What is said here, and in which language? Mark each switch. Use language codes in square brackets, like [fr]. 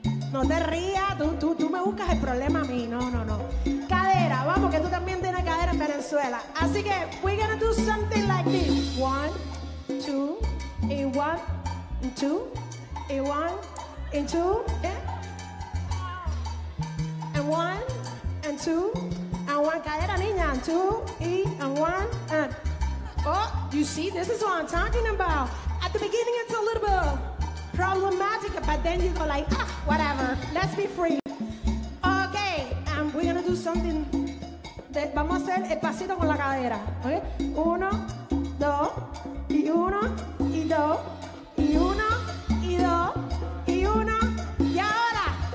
[es] No te rías, tú me buscas el problema a mí. No. Cadera, vamos, que tú también tienes cadera en Venezuela. Así que [en] we're gonna do something like this. One, two, and one, and two, and one, and two, and one, and two, and one. [es] Cadera, niña, [en] and two, and one, and. Oh, you see, this is what I'm talking about. At the beginning, it's a little bit problematic, but then you go like, whatever, let's be free. Okay, and we're gonna do something. [es] Vamos a hacer el pasito con la cadera, okay? Uno, dos, y uno, y dos, y uno, y dos, y uno, y ahora.